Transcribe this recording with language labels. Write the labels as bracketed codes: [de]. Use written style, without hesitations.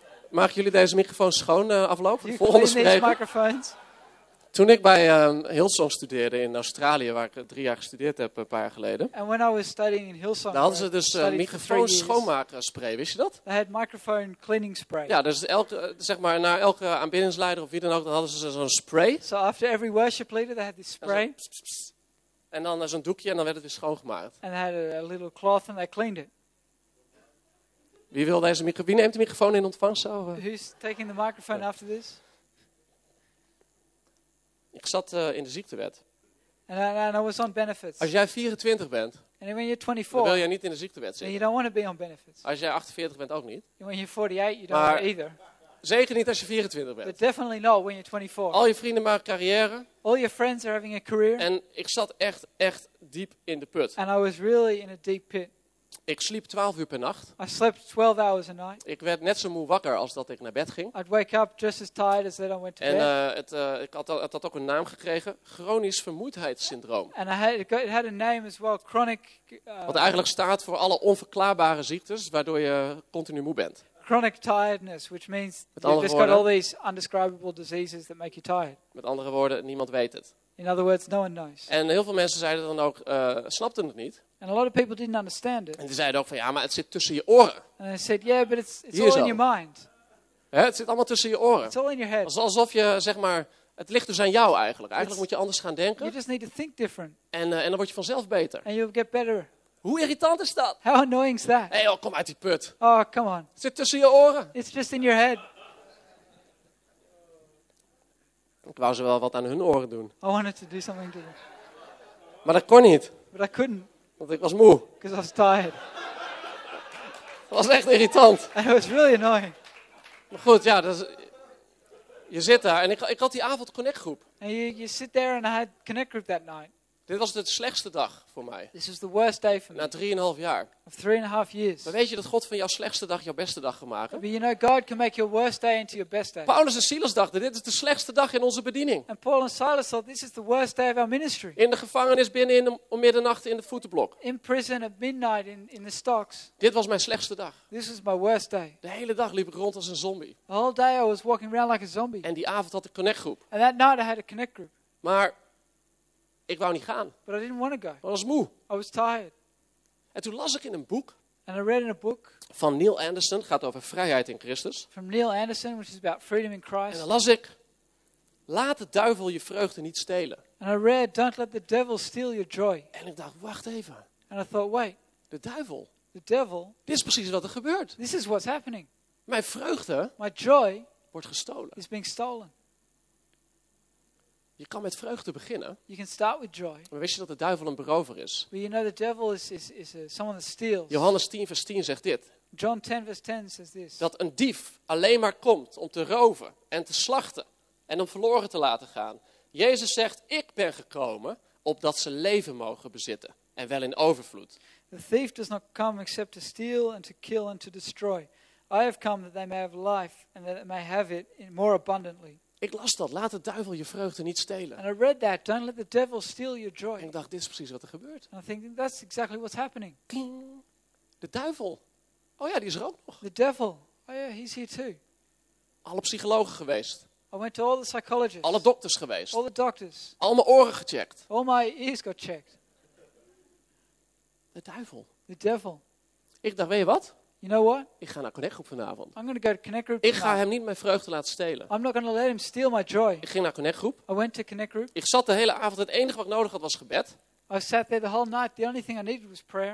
[nl] Maak jullie deze microfoon schoon aflopen? De volgende spreker. Toen ik bij Hillsong studeerde in Australië, waar ik 3 jaar gestudeerd heb een paar jaar geleden. [en] And when I was studying in Hillsong, [nl] daar hadden ze dus microfoon schoonmakerspray, wist je dat? [en] They had microphone cleaning spray. [nl] Ja, dus na elke aanbiddingsleider of wie dan ook, dan hadden ze zo'n spray. [en] So after every worship leader, they had this spray. [nl] En dan zo'n doekje en dan werd het weer schoongemaakt. [en] And they had a little cloth and they cleaned it. [nl] Wie neemt de microfoon in ontvangst? [en] Who's taking the microphone after this? [nl] Ik zat in de ziektewet. [en] And I was on benefits. [nl] Als jij 24 bent, [en] and when you're 24, [nl] dan wil jij niet in de ziektewet zitten. [en] You don't want to be on benefits. [nl] Als jij 48 bent ook niet. [en] When you're 48, you don't want either. [nl] Zeker niet als je 24 bent. [en] But definitely not when you're 24. [nl] Al je vrienden maken carrière. [en] All your friends are having a career. [nl] En ik zat echt diep in de put. [en] And I was really in a deep pit. [nl] Ik sliep 12 uur per nacht. [en] I slept 12 hours a night. [nl] Ik werd net zo moe wakker als dat ik naar bed ging. [en] I'd wake up just as tired as that I went to bed. [nl] Ik had ook een naam gekregen, chronisch vermoeidheidssyndroom. [en] And it had a name as well, chronic. [nl] Wat eigenlijk staat voor alle onverklaarbare ziektes waardoor je continu moe bent. [en] Chronic tiredness, which means you've just got all these undescribable diseases that make you tired. [nl] Met andere woorden, niemand weet het. [en] In other words, no one knows. [nl] En heel veel mensen zeiden dan ook, snapten het niet. [en] And a lot of people didn't understand it. [nl] En die zeiden ook van, ja, maar het zit tussen je oren. [en] And they said, yeah, but it's all in your mind. [nl] Hè, het zit allemaal tussen je oren. [en] It's all in your head. [nl] Alsof je, zeg maar, het ligt dus aan jou eigenlijk. Eigenlijk moet je anders gaan denken. [en] You just need to think different. [nl] En dan word je vanzelf beter. [en] And you'll get better. [nl] Hoe irritant is dat? [en] How annoying is that? [nl] Hé, hey, kom uit die put. [en] Oh, come on. [nl] Het zit tussen je oren. [en] It's just in your head. [nl] Ik wou ze wel wat aan hun oren doen. [en] I wanted to do something to them. [nl] Maar dat kon niet. [en] But I couldn't. [nl] Want ik was moe. [en] Because I was tired. [nl] Het was echt irritant. [en] And it was really annoying. [nl] Maar goed, ja, dat is. Je zit daar en ik had die avond connect groep. [en] And you sit there and I had connect group that night. [nl] Dit was de slechtste dag voor mij. [en] This is the worst day for me. [nl] Na 3,5 jaar. [en] Of 3.5 years. [nl] Maar weet je dat God van jouw slechtste dag jouw beste dag kan maken? [en] But you know God can make your worst day into your best day. [nl] Paulus en Silas dachten, dit is de slechtste dag in onze bediening. [en] And Paul and Silas thought, this is the worst day of our ministry. [nl] In de gevangenis binnen om middernacht in de voetenblok. [en] In prison at midnight in the stocks. [nl] Dit was mijn slechtste dag. [en] This is my worst day. [nl] De hele dag liep ik rond als een zombie. [en] The whole day I was walking around like a zombie. [nl] En die avond had ik connect groep. [en] And that night I had a connect group. [nl] Maar ik wou niet gaan. [en] But I didn't want to go. [nl] Maar was moe. [en] I was tired. [nl] En toen las ik in een boek. [en] And I read in a book. [nl] Van Neil Anderson. Gaat over vrijheid in Christus. [en] From Neil Anderson, which is about freedom in Christ. [nl] En dan las ik, laat de duivel je vreugde niet stelen. [en] And I read, don't let the devil steal your joy. [nl] En ik dacht, wacht even. [en] And I thought, wait. [nl] De duivel. [en] The devil. [nl] Dit is precies wat er gebeurt. [en] This is what's happening. [nl] Mijn vreugde. [en] My joy. [nl] Wordt gestolen. [en] Is being stolen. [nl] Je kan met vreugde beginnen. [en] You can start with joy. [nl] Maar wist je dat de duivel een berover is? [en] But you know the devil is someone that steals. [nl] Johannes 10 vers 10 zegt dit. [en] John 10 verse 10 says this. [nl] Dat een dief alleen maar komt om te roven en te slachten en om verloren te laten gaan. Jezus zegt: ik ben gekomen opdat ze leven mogen bezitten en wel in overvloed. [en] The thief does not come except to steal and to kill and to destroy. I have come that they may have life and that they may have it more abundantly. [nl] Ik las dat. Laat de duivel je vreugde niet stelen. [en] And I read that. Don't let the devil steal your joy. [nl] En ik dacht, dit is precies wat er gebeurt. [en] And I think that's exactly what's happening. [nl] Kling. De duivel. Oh ja, die is er ook nog. [en] The devil. Oh yeah, he's here too. [nl] Alle psychologen geweest. [en] I went to all the psychologists. [nl] Alle dokters geweest. [en] All the doctors. [nl] Al mijn oren gecheckt. [en] All my ears got checked. [nl] De duivel. [en] The devil. [nl] Ik dacht, weet je wat? [en] You know what? [nl] Ik ga naar Connect Groep vanavond. [en] I'm going to go to Connect Group. [nl] Ik ga hem niet mijn vreugde laten stelen. [en] I'm not going to let him steal my joy. [nl] Ik ging naar Connect Groep. [en] I went to Connect Group. [nl] Ik zat de hele avond. Het enige wat ik nodig had was gebed. [en] I sat there the whole night. The only thing I needed was prayer.